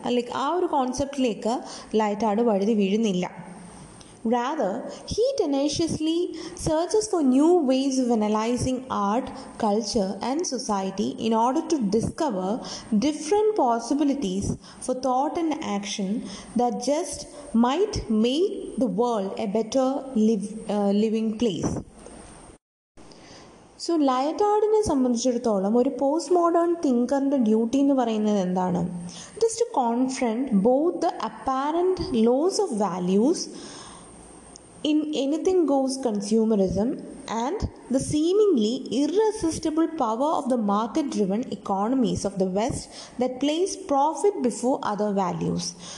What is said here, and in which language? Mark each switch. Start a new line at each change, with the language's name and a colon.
Malayalam: Like ആ ഒരു കോൺസെപ്റ്റിലേക്ക് ലൈറ്റാർഡ് വഴുതി വീഴുന്നില്ല.
English: Rather, he tenaciously searches for new ways of analyzing art, culture, and society in order to discover different possibilities for thought and action that just might make the world a better living place.
Malayalam: So ലയറ്റാർഡിനെ സംബന്ധിച്ചിടത്തോളം ഒരു post modern തിങ്കറിൻ്റെ duty എന്ന് പറയുന്നത് എന്താണ്?
English: Just to confront both the apparent loss of values in anything goes consumerism and the seemingly irresistible power of the market driven economies of the West that place profit before other values.